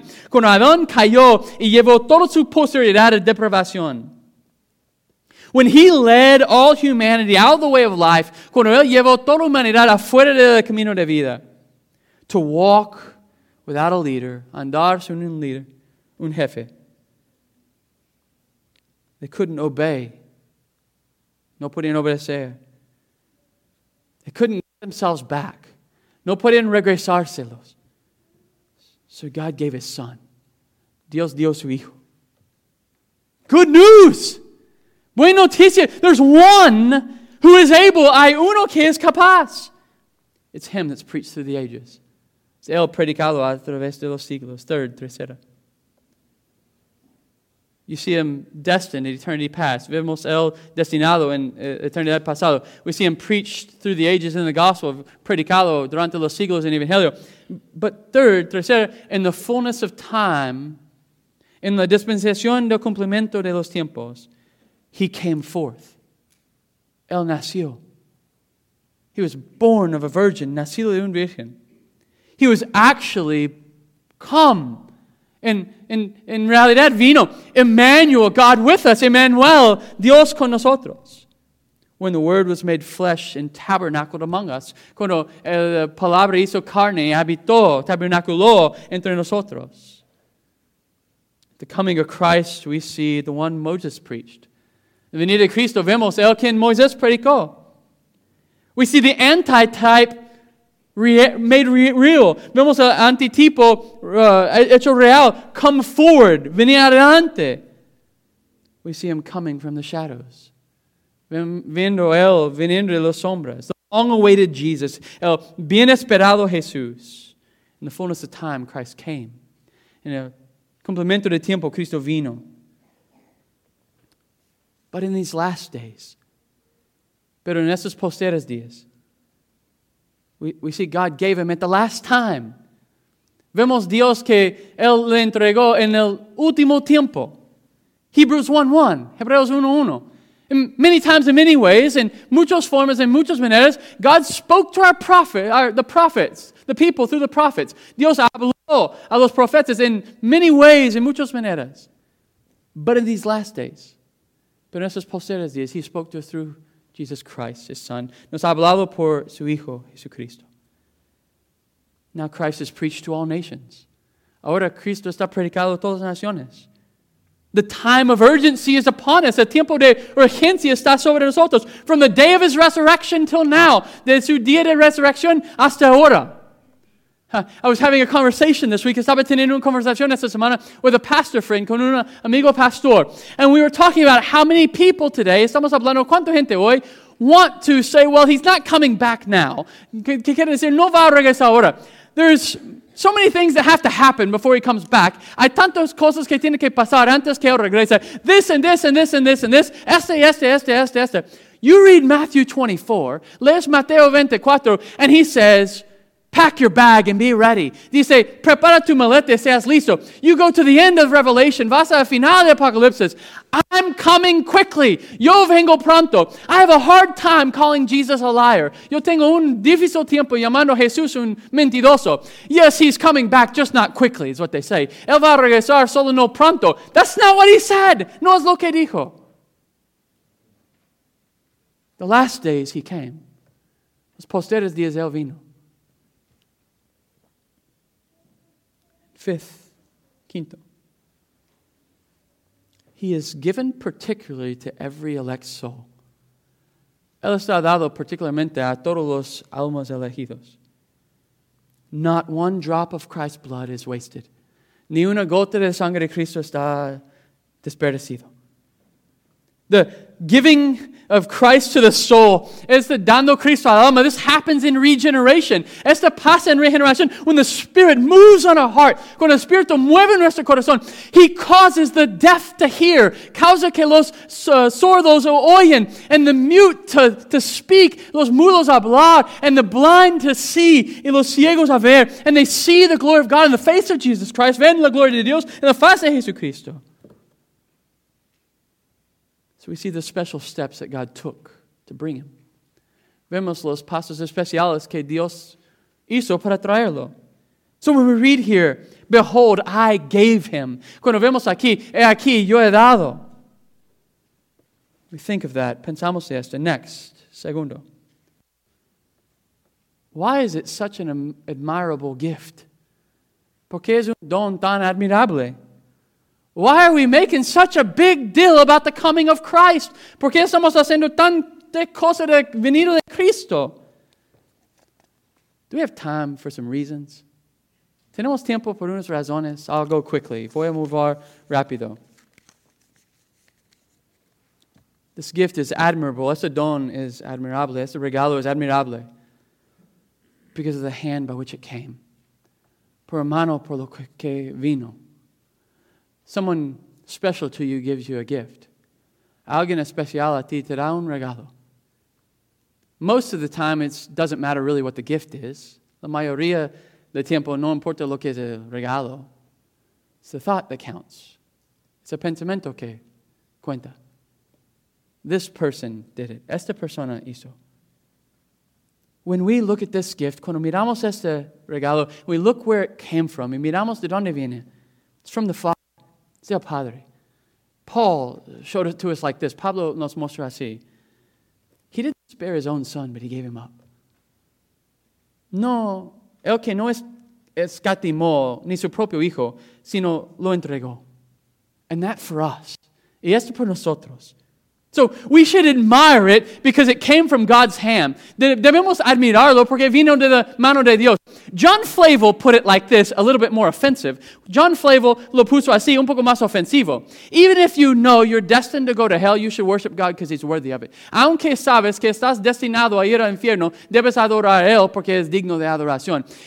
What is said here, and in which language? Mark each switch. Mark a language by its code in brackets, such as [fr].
[es] Cuando Adán cayó y llevó toda su posteridad a depravación. [en] When he led all humanity out of the way of life. [es] Cuando él llevó toda humanidad afuera del camino de vida. [en] To walk without a leader. [es] Andar sin un líder. Un jefe. [en] They couldn't obey. [es] No podían obedecer. [en] They couldn't get themselves back. [es] No podían regresárselos. [en] So God gave his son. [es] Dios dio su hijo. [en] Good news! [es] Buena noticia! [en] There's one who is able. [es] Hay uno que es capaz. [en] It's him that's preached through the ages. [es] Es él predicado a través de los siglos. [en] Third, [es] tercera. [en] You see him destined in eternity past. [es] Vemos él destinado en eternidad pasado. [en] We see him preached through the ages in the gospel, [es] predicado durante los siglos en Evangelio. [en] But third, [es] tercera, [en] in the fullness of time, in [es] la dispensación del cumplimiento de los tiempos, [en] he came forth. [es] Él nació. [en] He was born of a virgin, [es] nacido de un virgen. [en] He was actually come. In [es] realidad vino [en] Emmanuel, God with us, Emmanuel, [es] Dios con nosotros. [en] When the Word was made flesh and tabernacled among us, [es] cuando la palabra hizo carne y habitó, tabernaculó entre nosotros. [en] The coming of Christ, we see the one Moses preached. [es] The venida de Cristo, vemos el quien Moisés predicó. [en] We see the antitype made real. [es] Vemos el antitipo hecho real. [en] Come forward. [es] Vení adelante. [en] We see him coming from the shadows. [es] Viendo él, viniendo de las sombras. [en] The long-awaited Jesus. [es] El bien esperado Jesús. [en] In the fullness of time, Christ came. [es] In el cumplimiento de tiempo, Cristo vino. [en] But in these last days, [es] pero en estos posteros días, [en] We see God gave him at the last time. [es] Vemos Dios que él le entregó en el último tiempo. [en] Hebrews 1:1, [es] Hebreos 1:1. [en] In many times, in many ways, [es] in muchas formas, in muchas maneras, [en] God spoke to the prophets, the people through the prophets. [es] Dios habló a los profetas [en] in many ways, [es] in muchas maneras. [en] But in these last days, [es] pero en estos posteriores días, [en] he spoke to us through Jesus Christ, his son, [es] nos ha hablado por su hijo, Jesucristo. [en] Now Christ is preached to all nations. [es] Ahora Cristo está predicado a todas las naciones. [en] The time of urgency is upon us. [es] El tiempo de urgencia está sobre nosotros. [en] From the day of his resurrection till now, [es] de su día de resurrección hasta ahora. [en] I was having a conversation this week. [es] Estaba teniendo una conversación esta semana [en] with a pastor friend, [es] con un amigo pastor. [en] And we were talking about how many people today, [es] estamos hablando cuánta gente hoy, [en] want to say, well, he's not coming back now. [es] Que quieren decir, no va a regresar ahora. [en] There's so many things that have to happen before he comes back. [es] Hay tantas cosas que tienen que pasar antes que él regrese. [en] This and this and this and this and this. [es] Este. [en] You read Matthew 24, [es] lees Mateo 24, [en] and he says, pack your bag and be ready. [es] Dice, prepara tu maleta y seas listo. [en] You go to the end of Revelation, [es] vas a la final de Apocalipsis. [en] I'm coming quickly. [es] Yo vengo pronto. [en] I have a hard time calling Jesus a liar. [es] Yo tengo un difícil tiempo llamando a Jesús un mentiroso. [en] Yes, he's coming back, just not quickly, is what they say. [es] Él va a regresar, solo no pronto. [en] That's not what he said. [es] No es lo que dijo. [en] The last days he came. [es] Los posteriores días él vino. [en] Fifth, [es] quinto. [en] He is given particularly to every elect soul. [es] Él está dado particularmente a todos los almas elegidos. [en] Not one drop of Christ's blood is wasted. [es] Ni una gota de sangre de Cristo está desperdiciado. [en] The giving of Christ to the soul. [es] Este dando Cristo al alma. [en] This happens in regeneration. [es] Este pasa en regeneración. [en] When the Spirit moves on our heart, [es] cuando el Espíritu mueve nuestro corazón, [en] He causes the deaf to hear, [es] causa que los sordos oyen, [en] and the mute to speak, [es] los mudos hablar, [en] and the blind to see, [es] y los ciegos a ver, [en] and they see the glory of God in the face of Jesus Christ, [es] ven la gloria de Dios en la face de Jesucristo. [en] So we see the special steps that God took to bring him. [es] Vemos los pasos especiales que Dios hizo para traerlo. [en] So when we read here, behold, I gave him. [es] Cuando vemos aquí, he aquí, yo he dado. [en] We think of that. [es] Pensamos de esto. [en] Next, [es] segundo. [en] Why is it such an admirable gift? [es] ¿Por qué es un don tan admirable? [en] Why are we making such a big deal about the coming of Christ? [es] ¿Por qué estamos haciendo tanta cosa de venir de Cristo? [en] Do we have time for some reasons? [es] ¿Tenemos tiempo por unas razones? [en] I'll go quickly. Voy a mover rápido. This gift is admirable. [es] Este don es admirable. Este regalo es admirable. [en] Because of the hand by which it came. [es] Por mano por lo que vino. [en] Someone special to you gives you a gift. [es] Alguien especial a ti te da un regalo. [en] Most of the time, it doesn't matter really what the gift is. [es] La mayoría del tiempo no importa lo que es el regalo. [en] It's the thought that counts. It's [es] el pensamiento que cuenta. [en] This person did it. [es] Esta persona hizo. [en] When we look at this gift, [es] cuando miramos este regalo, [en] we look where it came from. [es] Y miramos de dónde viene. [en] It's from the Father. [es] Still, Padre. [en] Paul showed it to us like this. [es] Pablo nos mostró así. [en] He didn't spare his own son, but he gave him up. [es] No, el que no escatimó ni su propio hijo, sino lo entregó. [en] And that for us. [es] Y esto por nosotros. [en] So we should admire it because it came from God's hand. [es] Debemos admirarlo porque vino de la mano de Dios. [en] John Flavel put it like this, a little bit more offensive. [es] John Flavel lo puso así, un poco más ofensivo. [en] Even if you know you're destined to go to hell, you should worship God because he's worthy of it. [es] Aunque sabes que estás destinado a ir al infierno, debes adorar a él porque es digno de adoración.